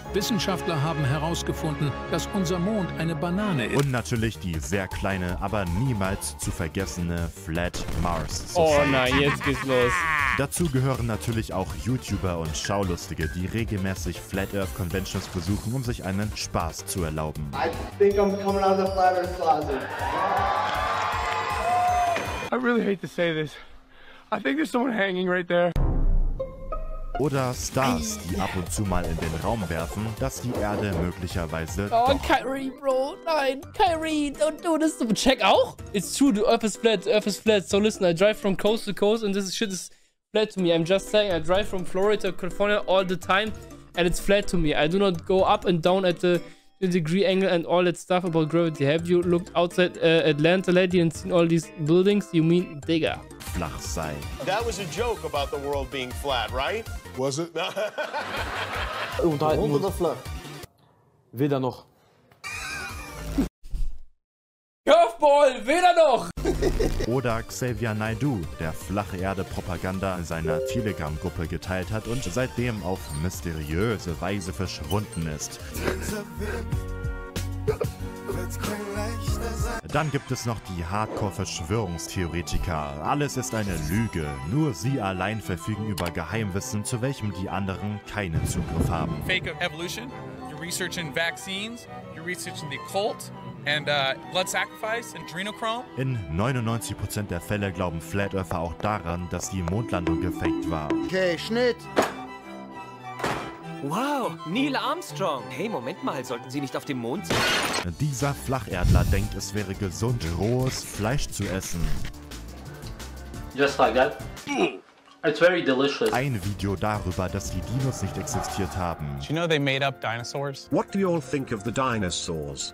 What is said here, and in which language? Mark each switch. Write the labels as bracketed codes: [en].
[de] Wissenschaftler haben herausgefunden, dass unser Mond eine Banane ist. Und natürlich die sehr kleine, aber niemals zu vergessene Flat Mars. Oh nein, jetzt geht's los. Dazu gehören natürlich auch YouTuber und Schaulustige, die regelmäßig Flat Earth Conventions besuchen, um sich einen Spaß zu erlauben. [en] I think I'm coming out of the Flat Earth closet. I really hate to say this. I think there's someone hanging right there. [de] Oder Stars, die ab und zu mal in den Raum werfen, dass die Erde möglicherweise. [en] Oh, Kyrie, Bro, [de] nein, [en] Kyrie, don't do this. Check auch? It's true, the Earth is flat, the Earth is flat. So listen, I drive from coast to coast and this shit is flat to me. I'm just saying, I drive from Florida to California all the time and it's flat to me. I do not go up and down at the degree angle and all that stuff about gravity. Have you looked outside Atlanta lately and seen all these buildings? You mean bigger? [de] Flach sei. [en] That was a joke about the world being flat, right? Was it? [de] Unterhalten oder flach? Weder noch. Curveball, weder noch! Oder Xavier Naidoo, der flache Erde-Propaganda in seiner Telegram-Gruppe geteilt hat und seitdem auf mysteriöse Weise verschwunden ist. Dann gibt es noch die Hardcore-Verschwörungstheoretiker. Alles ist eine Lüge. Nur sie allein verfügen über Geheimwissen, zu welchem die anderen keinen Zugriff haben. [en] Fake Evolution, you're researching vaccines, you're researching the occult, And blood sacrifice, adrenochrome. [de] In 99% der Fälle glauben Flat Earther auch daran, dass die Mondlandung gefaked war. Okay, Schnitt. Wow, Neil Armstrong. Hey, Moment mal, sollten Sie nicht auf dem Mond sein? Dieser Flacherdler denkt, es wäre gesund, rohes Fleisch zu essen. [en] Just like that. It's very delicious. [de] Ein Video darüber, dass die Dinos nicht existiert haben. [en] Do you know they made up dinosaurs? What do you all think of the dinosaurs?